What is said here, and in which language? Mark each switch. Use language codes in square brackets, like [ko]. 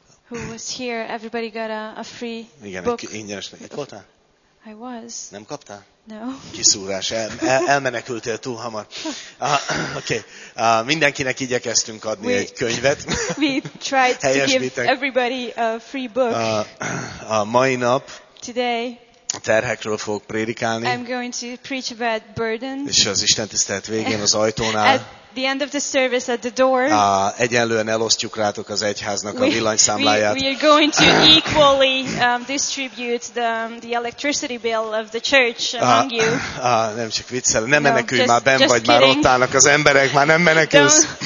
[en] Who was here, everybody got a free book. [hu] Igen, ingyenes. Itt voltál? [en] I was. [hu] Nem kaptál? [en] No. [hu] Kiszúrás, elmenekültél túl hamar. Okay. Mindenkinek igyekeztünk adni egy könyvet. [en] We tried to give everybody a free book. [hu] A mai nap [en] today [hu] terhekről fogok prédikálni. [en] I'm going to preach about burdens. [hu] És az istentisztelet végén az ajtónál. [en] The end of the service at the door. [hu] Egyenlően elosztjuk rátok az egyháznak a villanyszámláját. [en] We are going to equally distribute the electricity bill of the church among you. [hu] Nem csak viccel, nem menekülj, már ben vagy, már ott állnak az emberek, már nem menekülsz.